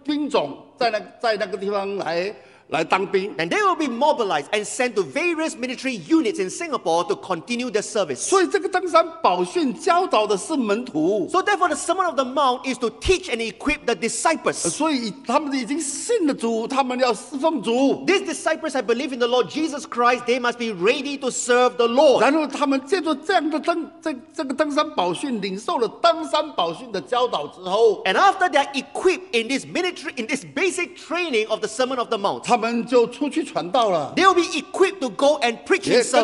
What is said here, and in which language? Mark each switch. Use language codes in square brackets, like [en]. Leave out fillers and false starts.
[zh] 他们就会派到各种不同的这个军种在那个地方来。来当兵, [en] and they will be mobilized and sent to various military units in Singapore to continue their service. [zh] 所以这个登山宝训教导的是门徒, [en] so therefore the Sermon of the Mount is to teach and equip the disciples. [zh] 所以他们已经信了主, 他们要侍奉主。 [en] These disciples have believed in the Lord Jesus Christ, they must be ready to serve the Lord. [zh] 然后他们借助这样的登山宝训领受了登山宝训的教导之后, [en] and after they are equipped in this military, in this basic training of the Sermon of the Mount, [zh] 他们就出去传道了。 [en] They will be equipped to go and preach in service.